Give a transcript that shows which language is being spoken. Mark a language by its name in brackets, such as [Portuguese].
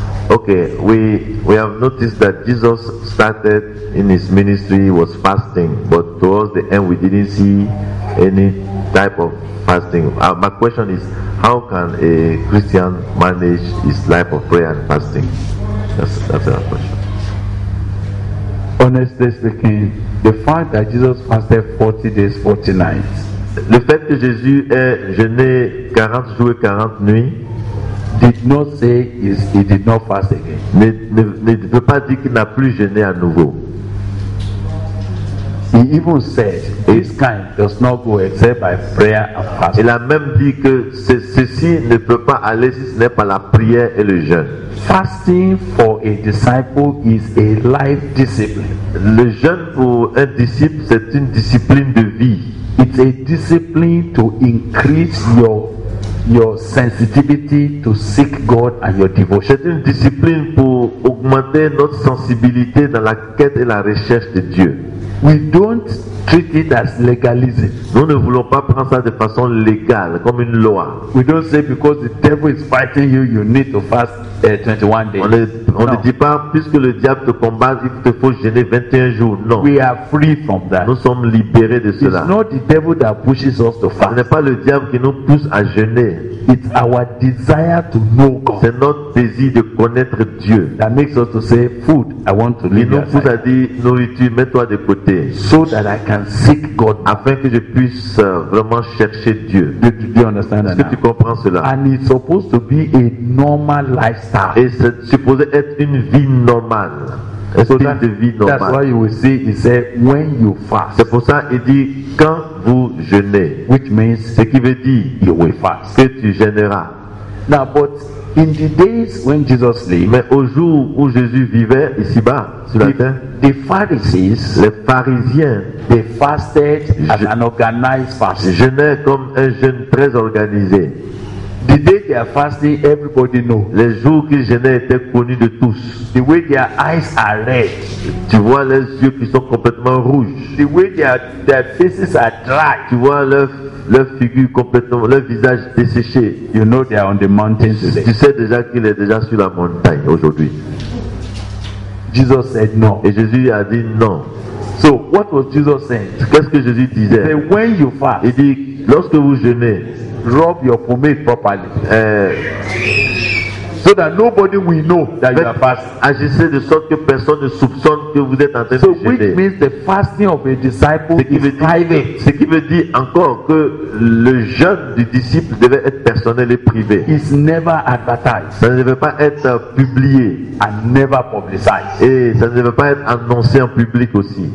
[English] Okay, we have noticed that Jesus started in his ministry, he was fasting, but towards the end we didn't see any type of fasting. My question is, how can a Christian manage his life of prayer and fasting? That's our question. Honestly speaking, the fact that Jesus fasted 40 days, 40 nights. [French] Le fait que Jésus ait jeûné 40 jours et 40 nuits, [English] did not say he did not fast again. [French] Ne veut pas dire qu'il n'a plus jeûné à nouveau. [English] He even said this kind does not go except by prayer and fasting. [French] Il a même dit que ceci ne peut pas aller si ce n'est pas la prière et le jeûne. [English] Fasting for a disciple is a life discipline. [French] Le jeûne pour un disciple, c'est une discipline de vie. [English] It's a discipline to increase your sensitivity to seek God and your devotion. [French] C'est une discipline pour augmenter notre sensibilité dans la quête et la recherche de Dieu. [English] We don't treat it as legalism. [French] Nous ne voulons pas prendre ça de façon légale, comme une loi. [English] We don't say because the devil is fighting you, you need to fast 21 days. [French] On ne dit pas puisque le diable te combat, il te faut jeûner 21 jours. Non. [English] We are free from that. [French] Nous sommes libérés de [English] It's [French] cela. [English] It's not the devil that pushes us to fast. [French] Ce n'est pas le diable qui nous pousse à jeûner. [English] It's our desire to know God. [French] C'est notre désir de connaître Dieu. [English] That makes us to say, food, I want to leave. [French] Il nous pousse à dire, nourriture, mets-toi de côté. [English] So that I can seek God. [French] Afin que je puisse vraiment chercher Dieu. [English] Do you understand? [French] Est-ce que tu comprends cela? [English] And it's supposed to be a normal lifestyle. [French] Et c'est supposé être une vie normale. esprit de vie normal. [English] That's why you will see, he said, when you fast. [French] C'est pour ça qu'il dit quand vous jeûnez. [English] Which means, [French] ce qui veut dire, [English] you will fast. [French] Que tu jeûneras. [English] Now, but in the days when Jesus lived, [French] mais au jour où Jésus vivait ici-bas sur la terre, [English] the Pharisees, [French] les Pharisiens, [English] they fasted as an organized fast. [French] Jeûnaient comme un jeûne très organisé. [English] The day they are fasting, everybody knows. [French] Les jours qu'ils jeûnaient étaient connus de tous. [English] The way their eyes are red. [French] Tu vois leurs yeux qui sont complètement rouges. [English] The way their faces are dry. [French] Tu vois leur figure complètement, leur visage desséché. [English] You know they are on the mountain today. [French] Tu sais déjà qu'il est déjà sur la montagne aujourd'hui. [English] Jesus said no. [French] Et Jésus a dit non. [English] So what was Jesus saying? [French] Qu'est-ce que Jésus disait? [English] He said, when you fast. [French] Il dit lorsque vous jeûnez. [English] Rub your pomade properly, so that nobody will know that you are fasting. [French] Agissez de sorte que personne ne soupçonne que vous êtes en train [English] so [French] de jeûner. [English] So which means the fasting of a disciple is private. [French] Ce qui veut dire encore que le jeûne du disciple devait être personnel et privé. [English] It's never advertised. [French] Ça ne devait pas être publié. [English] And never publicized. [French] Et ça ne devait pas être annoncé en public aussi.